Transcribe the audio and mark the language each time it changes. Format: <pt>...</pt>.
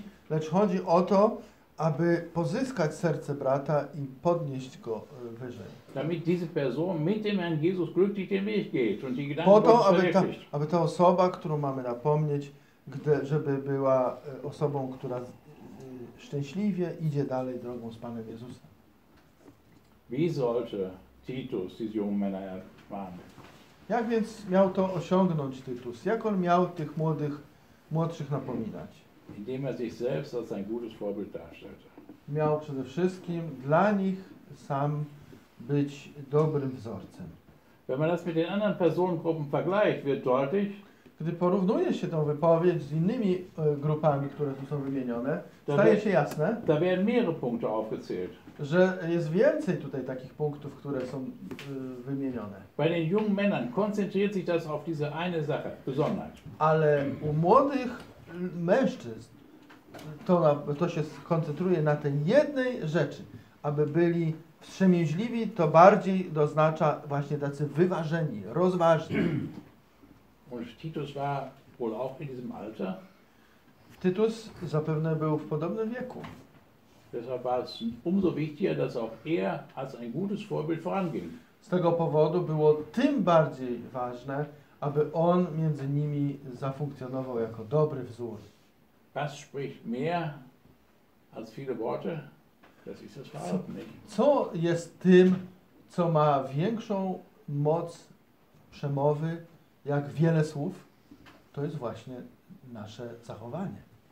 <pl>Lecz chodzi o to, aby pozyskać serce brata i podnieść go wyżej.</pl> <de>Damit diese Person mit dem Herrn Jesus glücklich den Weg geht und die Gedanken</de> <pl>po to, aby ta osoba, którą mamy napomnieć, żeby była osobą, która szczęśliwie idzie dalej drogą z Panem Jezusem.</pl> <de>Wie sollte Titus diese jungen Männer erfahren?</de> <pl>Jak więc miał to osiągnąć Tytus? Jak on miał tych młodszych napominać?</pl> <de>Indem er sich selbst als ein gutes Vorbild darstellte.</de> <pl>Miał przede wszystkim dla nich sam być dobrym wzorcem.</pl> <de>Wenn man das mit den anderen Personengruppen vergleicht, wird deutlich,</de> <pl>gdy porównuje się tą wypowiedź z innymi grupami, które tu są wymienione, staje się jasne,</pl> <de>da werden mehrere Punkte aufgezählt,</de> <pl>że jest więcej tutaj takich punktów, które są wymienione.</pl> <de>Bei den jungen Männern konzentriert sich das auf diese eine Sache, Besonderheit.</de> <pl>Ale u młodych mężczyzn to się skoncentruje na tej jednej rzeczy, aby byli wstrzemięźliwi, to bardziej doznacza właśnie tacy wyważeni, rozważni.</pl> <de>Und Titus war wohl auch in diesem Alter.</de> <pl>Titus zapewne był w podobnym wieku.</pl> <de>Deshalb war es umso wichtiger, dass auch er als ein gutes Vorbild voranging.</de> <pl>Z tego powodu było tym bardziej ważne, aby on między nimi zafunkcjonował jako dobry wzór.</pl> <de>Was spricht mehr als viele Worte? Das ist das Verhalten.</de> <pl>Co jest tym, co ma większą moc przemowy, jak wiele słów, to jest właśnie nasze zachowanie.</pl>